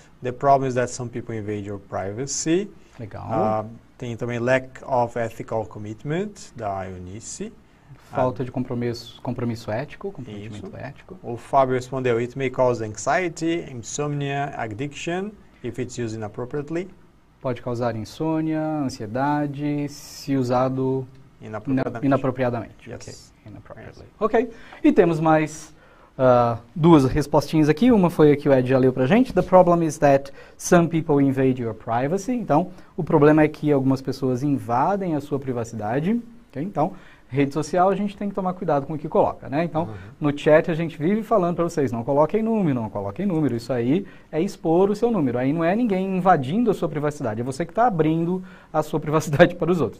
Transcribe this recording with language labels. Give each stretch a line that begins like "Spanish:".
English: The problem is that some people invade your privacy.
Portuguese: Legal. Tem também
English: lack of ethical commitment,
Portuguese: da Eunice. Falta de compromisso ético.
English: O Fábio respondeu, it may cause anxiety, insomnia, addiction, if it's used inappropriately.
Portuguese: Pode causar insônia, ansiedade, se usado inapropriadamente.
English: Yes. Okay. Inappropriately. Yes.
Portuguese: Ok. E temos mais duas respostinhas aqui. Uma foi a que o Ed já leu pra gente.
English: The problem is that some people invade your privacy.
Portuguese: Então, o problema é que algumas pessoas invadem a sua privacidade. Okay? Então, rede social, a gente tem que tomar cuidado com o que coloca, né? Então, no chat a gente vive falando para vocês, não coloquem número, isso aí é expor o seu número. Aí não é ninguém invadindo a sua privacidade, é você que está abrindo a sua privacidade para os outros.